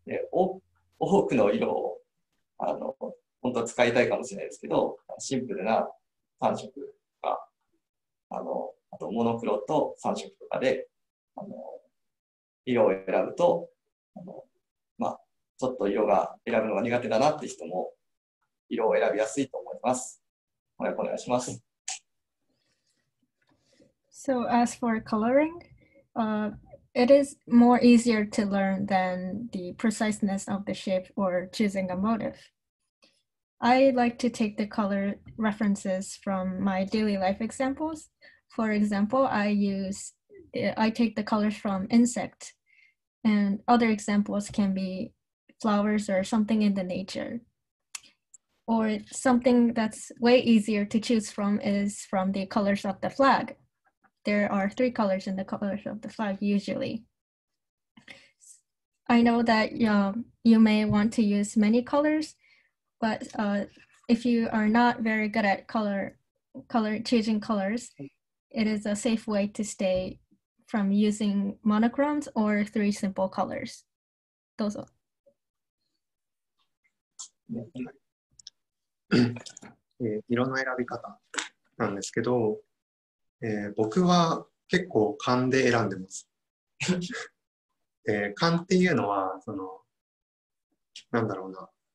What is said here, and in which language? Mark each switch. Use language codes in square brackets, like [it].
[ja] で、多くの色を本当は使いたいかもしれないですけど、シンプルな3色とか、あとモノクロと3色とかで色を選ぶと、まあ、ちょっと色が選ぶのが苦手だなって人も色を選びやすいと思います。お願いします。 [en] So as for coloring, it is more easier to learn than the preciseness of the shape or choosing a motifI like to take the color references from my daily life examples. For example, I take the colors from insect, and other examples can be flowers or something in the nature. Or something that's way easier to choose from is from the colors of the flag. There are three colors in the colors of the flag usually. I know that you may want to use many colors,But if you are not very good at choosing colors, it is a safe way to stay from using monochromes or three simple colors. Those are. [ja] え、色の選び方なんですけど、僕は結構勘で選んでます。勘っていうのは、なんだろうな。